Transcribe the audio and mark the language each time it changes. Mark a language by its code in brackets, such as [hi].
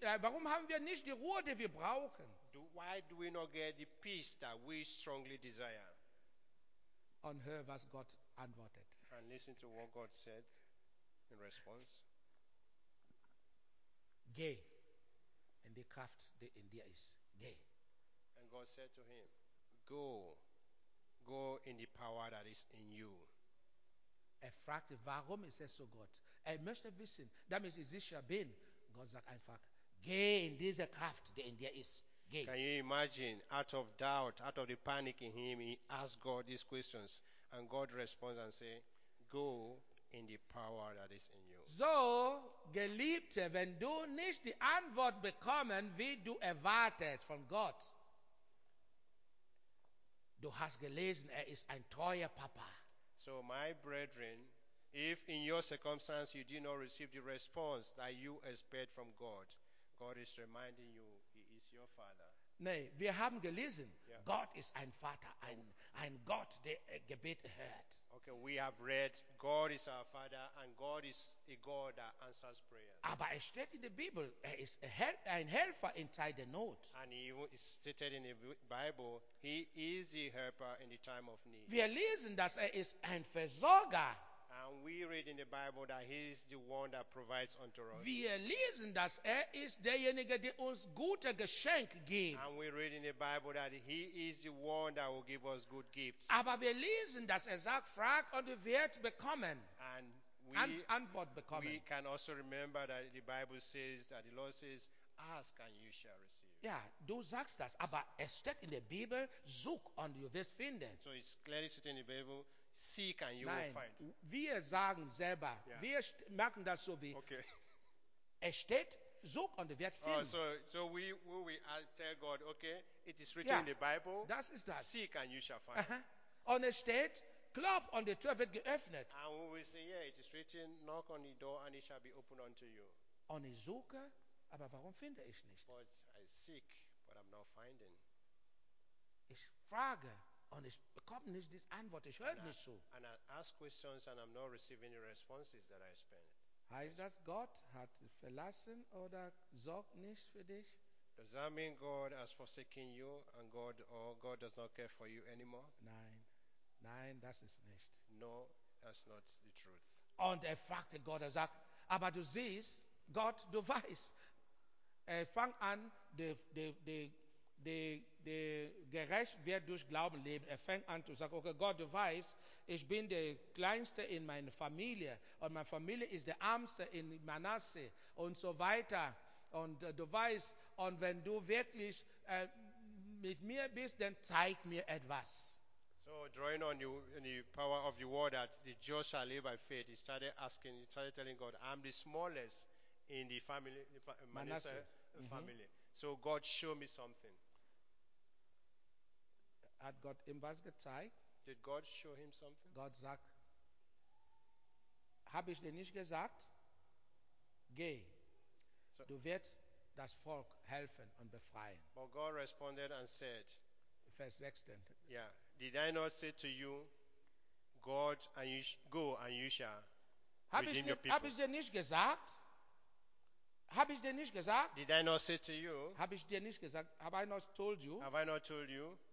[de] Warum haben wir nicht die Ruhe, die wir brauchen? [en] Why do we not get the peace that we strongly desire? [de] Und hör, was Gott antwortet. [en] And listen to what God said in response. [de] Geh in die Kraft, die in dir ist. Geh. [en] And God said to him, go. Go in the power that is in you. [de] Fragte, warum ist es so, Gott? Möchte wissen, damit es sicher bin. Gott sagt einfach, geh in diese Kraft, die in dir ist. [en] Can you imagine, out of doubt, out of the panic in him, he asked God these questions, and God responds and say, go in the power that is in you. [de] So, Geliebte, wenn du nicht die Antwort bekommen, wie du erwartet von Gott, du hast gelesen, ist ein treuer Papa. [en] So, my brethren, If in your circumstance you did not receive the response that you expect from God, God is reminding you, He is your Father. [de] Nein, wir haben gelesen, yeah. Gott ist ein Vater, ein Gott, der Gebet hört. [en] Okay, we have read, God is our Father and God is a God that answers prayer. [de] Aber es steht in der Bibel, er ist ein Helfer in Zeit der Not. [en] And even it's stated in the Bible, He is a helper in the time of need. [de] Wir lesen, dass er ist ein Versorger. [en] And we read in the Bible that He is the one that provides unto us. [de] Wir lesen, dass er ist derjenige, der uns gute Geschenke gibt. [en] And we read in the Bible that He is the one that will give us good gifts. [de] Aber wir lesen, dass er sagt, frag und du wirst bekommen. [en] And [de] Antwort bekommen. [en] We can also remember that the Bible says that the Lord says, ask and you shall receive. [de] Ja, du sagst das, aber es steht in der Bibel, such und du wirst finden. [en] So it's clearly stated in the Bible. Seek and you [de] Nein, [en] will find. [de] Wir sagen selber, yeah. Wir merken das so wie, [en] okay. [de] Es steht, such und wird finden. [en] Oh, so we tell God, okay, it is written in the Bible, [de] das ist das. [en] Seek and you shall find. Uh-huh. [de] Und es steht, klopf und die Tür wird geöffnet. [en] And we will say, yeah, it is written, knock on the door and it shall be opened unto you. [de] Und ich suche, aber warum finde ich nicht? [en] But I seek, but I'm not finding. [de] Ich frage, und ich bekomme nicht die Antwort, ich höre nicht so. [en] And I ask questions and I'm not receiving the responses that I spend. [de] Heißt das, Gott hat verlassen oder sorgt nicht für dich? [en] Does that mean God has forsaken you and God does not care for you anymore? [de] Nein, das ist nicht. [en] No, that's not the truth. [de] Und er fragte Gott, er sagt, aber du siehst, Gott, du weißt. Er fängt an, die gerecht wird durch Glauben leben. Er fängt an zu sagen, okay, Gott, du weißt, ich bin der Kleinste in meiner Familie und meine Familie ist der Armste in Manasse und so weiter. Und du weißt, und wenn du wirklich mit mir bist, dann zeig mir etwas. [en] So, drawing on the power of the word that the just shall live by faith, he started telling God, I'm the smallest in the family, Manasse family. So God show me something. [de] Hat Gott ihm was gezeigt? [en] Did God show him something? [de] Gott sagt, habe ich dir nicht gesagt? Geh. So, du wirst das Volk helfen und befreien. [en] But God responded and said, [de] Vers 16. [en] Yeah. Did I not say to you, God, and you go and you shall redeem your people? [de] Habe ich dir nicht gesagt? Habe ich dir nicht gesagt? [en] Did I not say to you? [de] Habe ich dir nicht gesagt? [en] Have I not told you? Have I not told you?